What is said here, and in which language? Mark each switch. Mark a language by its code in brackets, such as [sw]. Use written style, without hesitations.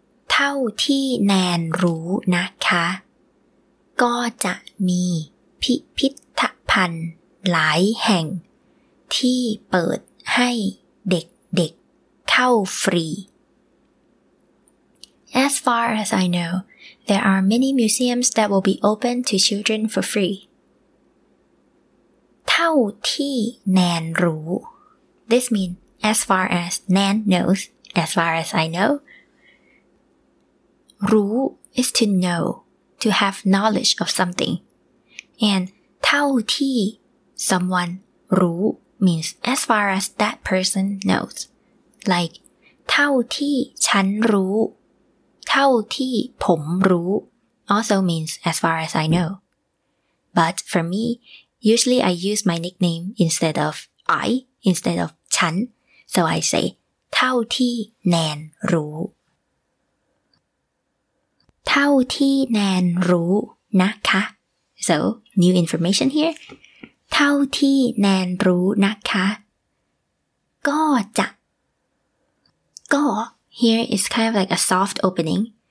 [th] เท่าที่แนนรู้นะคะก็จะมีพิพิธภัณฑ์หลายแห่งที่เปิดให้เด็กๆเข้าฟรี [en] As far as I know, there are many museums that will be open to children for free. [th] เท่าที่แนนรู้ [en] This means as far as Nan knows, as far as I know. รู้ is to know. To have knowledge of something. And เท่าที่ someone รู้ means as far as that person knows. Like, [th] เท่าที่ฉันรู้เท่าที่ผมรู้ [en] also means as far as I know. But for me, usually I use my nickname instead of I, instead of ฉัน. So I say, [th] เท่าที่แนนรู้เท่าที่แนนรู้นะคะ [en] So, new information here. [th] เท่าที่แนนรู้นะคะก็จะก็ [en] Here is kind of like a soft opening.